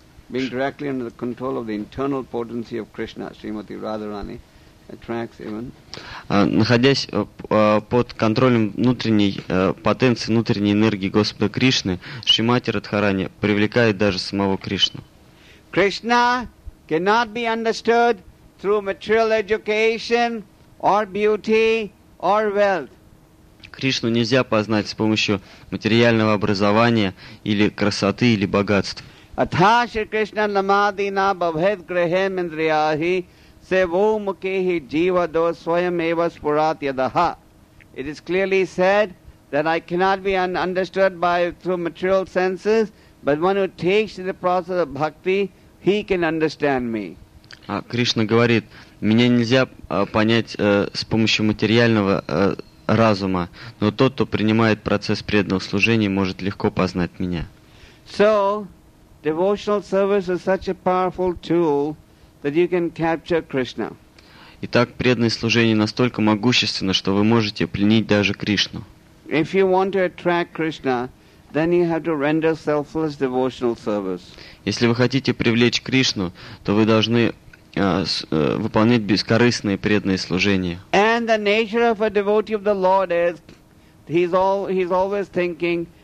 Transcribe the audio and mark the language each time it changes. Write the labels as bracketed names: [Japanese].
[English] Being directly under the control of the internal potency of Krishna, Srimati Radharani attracts even. [Russian] Находясь под контролем внутренней потенции, внутренней энергии Господа Кришны, Шримати Радхарани привлекает даже самого Кришну. [English] Krishna cannot be understood through material education or beauty or wealth. [Russian] Кришну нельзя познать с помощью материального образования или красоты, или богатства. [Sanskrit] Атха Шри Кришна намадина бхавет грехем индрияхи севу мукехи джива до своем ева спурат ядаха. [English] It is clearly said that I cannot be understood by through material senses, but one who takes to the process of bhakti, he can understand me. [Russian] Кришна говорит, меня нельзя понять с помощью материального разума, но тот, кто принимает процесс преданного служения, может легко познать меня. [English] So, devotional service is such a powerful tool that you can capture Krishna. [Russian] Итак, преданное служение настолько могущественно, что вы можете пленить даже Кришну. [English] If you want to attract Krishna, then you have to render selfless devotional service. [Russian] Если вы хотите привлечь Кришну, то вы должны выполнять бескорыстные преданные служения. [English] And the nature of a devotee of the Lord is he's always thinking